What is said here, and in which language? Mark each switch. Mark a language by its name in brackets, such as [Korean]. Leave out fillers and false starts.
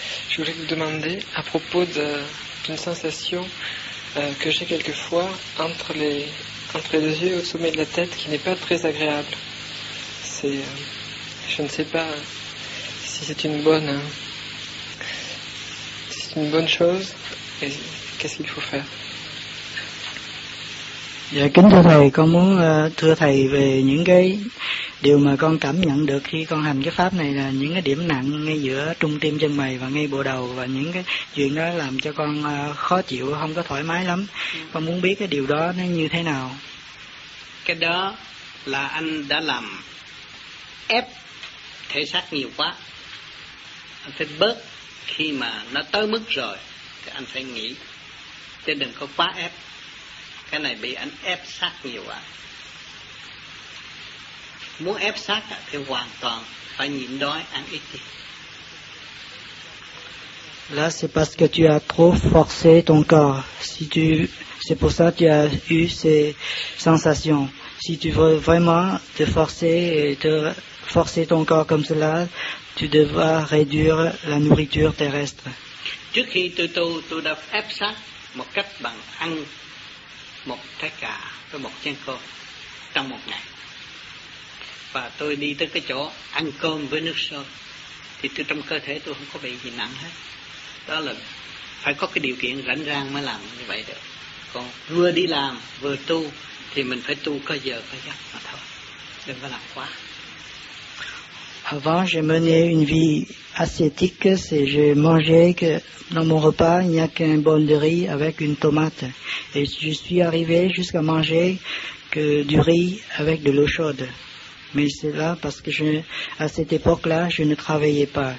[French] Je voulais vous demander à propos d'une sensation que j'ai quelquefois entre entre les yeux au sommet de la tête qui n'est pas très agréable. C'est, je ne sais pas si c'est une bonne, si c'est une bonne chose. Et qu'est-ce qu'il faut faire? [Vietnamese] Dạ kính thưa thầy, con muốn thưa thầy về những cái điều mà con cảm nhận được khi con hành cái pháp này là những cái điểm nặng ngay giữa trung tim chân mày và ngay bộ đầu, và những cái chuyện đó làm cho con khó chịu, không có thoải mái lắm. Con muốn biết cái điều đó nó như thế nào. Cái đó là anh đã làm ép thể xác nhiều quá. Anh phải bớt, khi mà nó tới mức rồi thì anh phải nghỉ, chứ đừng có quá ép. Cái này bị anh ép sát nhiều quá. Muốn ép sát thì hoàn toàn phải nhịn đói, ăn ít đi. [French] Là c'est parce que tu as trop forcé ton corps. Si tu, c'est pour ça que tu as eu ces sensations. Si tu veux vraiment te forcer et te forcer ton corps comme cela, tu devras réduire la nourriture terrestre. [Vietnamese] Trước khi tôi đã ép sát một cách bằng ăn một trái cà với một chén cơm trong một ngày, và tôi đi tới cái chỗ ăn cơm với nước sôi, thì tôi trong cơ thể tôi không có bị gì nặng hết. Đó là phải có cái điều kiện rảnh rang mới làm như vậy được. Còn vừa đi làm vừa tu thì mình phải tu có giờ có giấc mà thôi, đừng có làm quá. [French] Avant, j'ai mené une vie ascétique, c'est je mangeais que dans mon repas, il n'y a qu'un bol de riz avec une tomate. Et je suis arrivé jusqu'à manger que du riz avec de l'eau chaude. Mais c'est là parce que à cette époque-là, je ne travaillais pas.